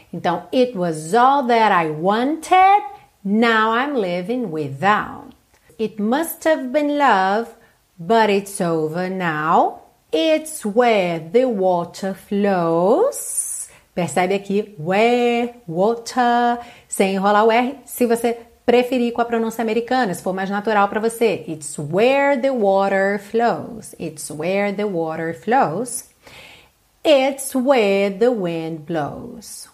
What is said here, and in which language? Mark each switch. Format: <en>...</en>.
<en>Então, it was all that I wanted, now I'm living without. It must have been love, but it's over now. It's where the water flows.</en> <pt>Percebe aqui, where, water, sem enrolar o R, se você preferir com a pronúncia americana, se for mais natural para você.</pt> <en>It's where the water flows. It's where the water flows. It's where the wind blows.</en>